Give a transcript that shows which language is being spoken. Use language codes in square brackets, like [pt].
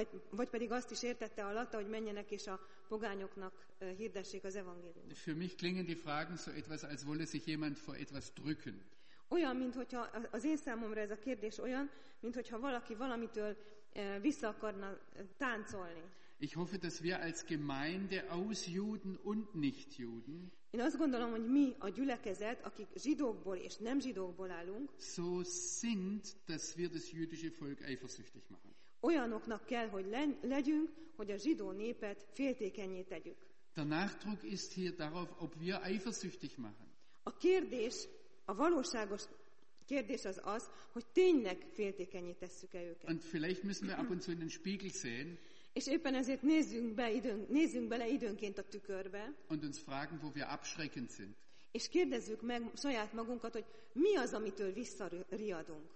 [hu] Vagy pedig azt is értette alatta, hogy menjenek és a pogányoknak hirdessék az evangéliumot. [de] Für mich klingen die Fragen so etwas, als wolle sich jemand vor etwas drücken. [hu] Olyan, mintha az én számomra ez a kérdés olyan, mintha valaki valamitől vissza akarna táncolni. [de] Ich hoffe, dass wir als Gemeinde aus Juden und Nichtjuden. [hu] Én azt gondolom, hogy mi a gyülekezet, akik zsidókból és nem zsidókból állunk, [de] so sind, dass wir das jüdische Volk eifersüchtig machen. [hu] Olyanoknak kell, hogy legyünk, hogy a zsidó népet féltékenyé tegyük. [de] Der Nachdruck ist hier darauf, ob wir eifersüchtig machen. [hu] A kérdés, a valóságos kérdés az az, hogy tényleg féltékenyé tesszük-e őket. [de] Und vielleicht müssen wir ab und zu in den Spiegel sehen. [hu] És éppen ezért nézzünk bele időnként a tükörbe. [de] Und uns fragen, wo wir abschreckend sind. [hu] És kérdezzük meg saját magunkat, hogy mi az, amitől visszariadunk.